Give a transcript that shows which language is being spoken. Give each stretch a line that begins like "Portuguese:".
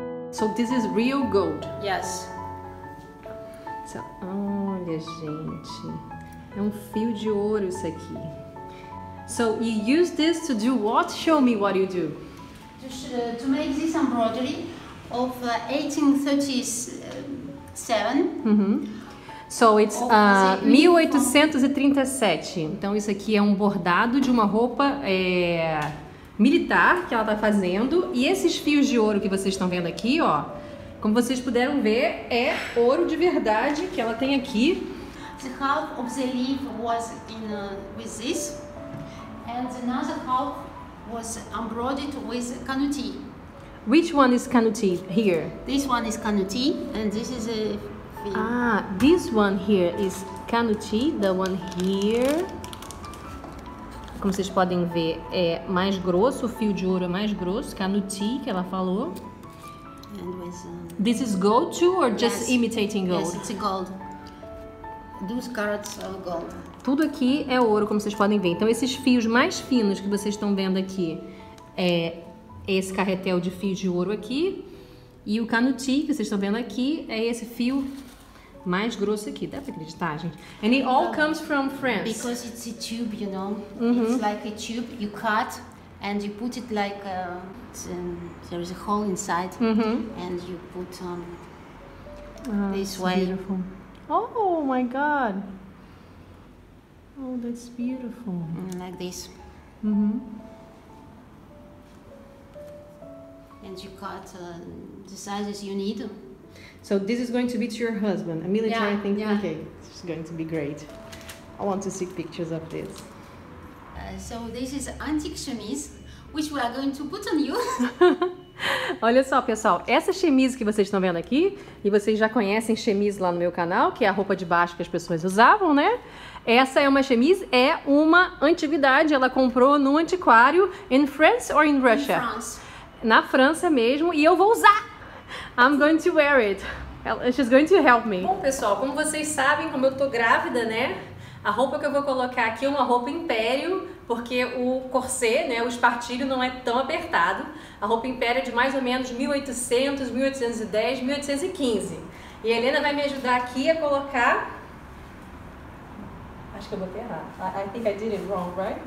English: So this is real gold. Yes.
Portuguese: So, olha, gente. É um fio de ouro isso aqui.
English: So you use this to do what? Show me what you do. To make this embroidery of 1837. Mm-hmm. So it's 1837.
Portuguese: Então isso aqui é um bordado de uma roupa militar que ela está fazendo. E esses fios de ouro que vocês estão vendo aqui, ó, como vocês puderam ver, é ouro de verdade que ela tem aqui.
English: The half of the leaf was in with this. And another half was embroidered with canutí. Which one is canutí here? This one is canutí, and this is a fill. Ah, this one here is canutí, the one here.
Portuguese: Como vocês podem ver, é mais grosso, o fio de ouro é mais grosso, canutí, que ela falou.
English: And with, this is gold too, or just yes, imitating gold? Yes, it's gold. 2 carats of gold.
Portuguese: Tudo aqui é ouro, como vocês podem ver. Então, esses fios mais finos que vocês estão vendo aqui é esse carretel de fios de ouro aqui. E o canutí que vocês estão vendo aqui é esse fio mais grosso aqui. Dá pra acreditar, gente?
English: And it all comes from France. Because it's a tube, you know? Uh-huh. It's like a tube. You cut and you put it like... there is a hole inside. Uh-huh. And you put this it's way. Beautiful. Oh my God! Oh, that's beautiful. Like this. Mm-hmm. And you cut the sizes you need. So this is going to be to your husband, a military, yeah, thing? Yeah. Okay, this is going to be great. I want to see pictures of this. So this is antique chemise, which we are going to put on you.
Portuguese: Olha só, pessoal, essa chemise que vocês estão vendo aqui, e vocês já conhecem chemise lá no meu canal, que é a roupa de baixo que as pessoas usavam, né? Essa é uma chemise, é uma antiguidade, ela comprou no antiquário,
English: in France or in Russia? In France.
Portuguese: Na França mesmo, e eu vou usar!
English: I'm going to wear it. She's going to help me.
Portuguese: Bom, pessoal, como vocês sabem, como eu tô grávida, né? A roupa que eu vou colocar aqui é uma roupa império, porque o corset, né, o espartilho, não é tão apertado. A roupa império é de mais ou menos 1800, 1810, 1815. E a Helena vai me ajudar aqui a colocar... Acho que eu botei errado.
English: I think I did it wrong, right?